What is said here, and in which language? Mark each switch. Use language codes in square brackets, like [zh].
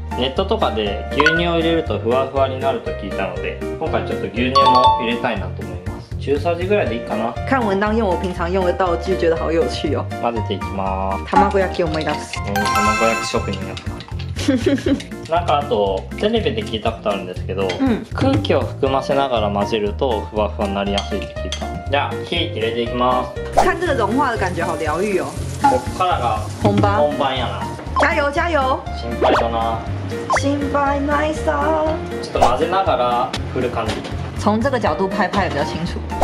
[ja] ネットとかで牛乳を入れるとふわふわになると聞いたので、今回ちょっと牛乳も入れたいなと思います。中さじぐらいでいいかな。 [zh] 看文章用我平常用的道具，觉得好有趣哦。 [ja] 混ぜていきます。卵焼き思い出す。卵焼き職人やった。なんかあとテレビで聞いたことあるんですけど、空気を含ませながら混ぜるとふわふわになりやすいって聞いた。じゃあ火入れていきます。 [zh] 看这个融化的感觉好疗愈哦。 [ja] こっからが本番。本番やな。 [zh] 加油加油。 [ja] 心配だな。心配ないさ。ちょっと混ぜながら振る感じ。 [zh] 从这个角度拍拍比较清楚。